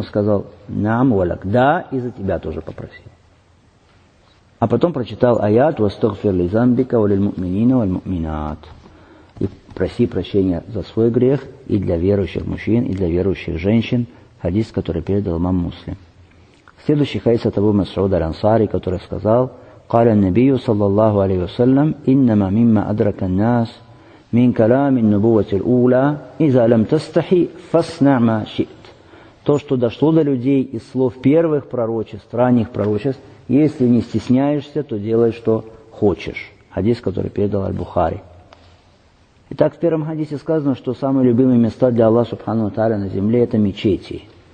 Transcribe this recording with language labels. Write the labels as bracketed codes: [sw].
[ru] Он сказал, нам валяк, да, и за тебя тоже попросил. А потом прочитал аят, [ar] «Вастагфир ли замбика валиль муминина валь муминат». [ru] И проси прощения за свой грех и для верующих мужчин, и для верующих женщин. Хадис, который передал имам Муслим. Следующий хадис от Абу Масуда аль-Ансари, который сказал, [ar] قال النبي صلى الله عليه وسلم إنما مما أدرك الناس من كلام النبوة الأولى إذا لم تستحي فاصنع ما شئت. [ru] То, что дошло до людей из слов первых пророчеств, ранних пророчеств, если не стесняешься, то делай, что хочешь. Хадис, который передал Аль-Бухари. Итак, в первом хадисе сказано, что самые любимые места для Аллаха Субхану ва Тааля на земле – это мечети.